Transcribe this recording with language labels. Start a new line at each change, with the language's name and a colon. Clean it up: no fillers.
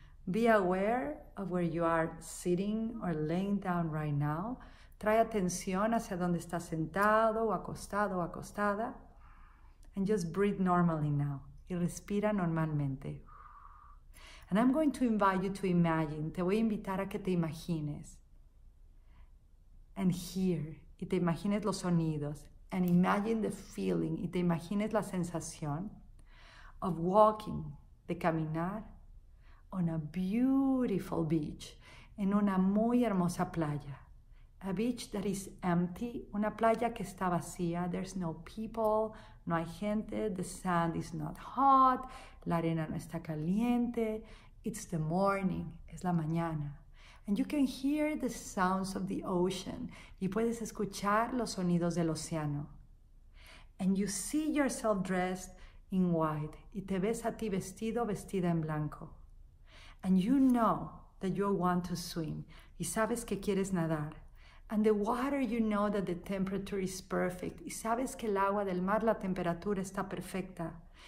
English: Be aware of where you are sitting or laying down right now.
Spanish: Trae atención hacia donde estás sentado o acostado o acostada.
English: And just breathe normally now.
Spanish: Y respira normalmente.
English: And I'm going to invite you to imagine.
Spanish: Te voy a invitar a que te imagines.
English: And hear.
Spanish: Y te imagines los sonidos.
English: And imagine the feeling.
Spanish: Y te imagines la sensación
English: of walking,
Spanish: de caminar,
English: on a beautiful beach,
Spanish: en una muy hermosa playa.
English: A beach that is empty,
Spanish: una playa que está vacía.
English: There's no people,
Spanish: no hay gente.
English: The sand is not hot,
Spanish: la arena no está caliente.
English: It's the morning,
Spanish: es la mañana.
English: And you can hear the sounds of the ocean.
Spanish: Y puedes escuchar los sonidos del océano.
English: And you see yourself dressed in white.
Spanish: Y te ves a ti vestido, vestida en blanco.
English: And you know that you want to swim.
Spanish: Y sabes que quieres nadar.
English: And the water, you know that the temperature is perfect.
Spanish: Y sabes que el agua del mar, la temperatura está perfecta.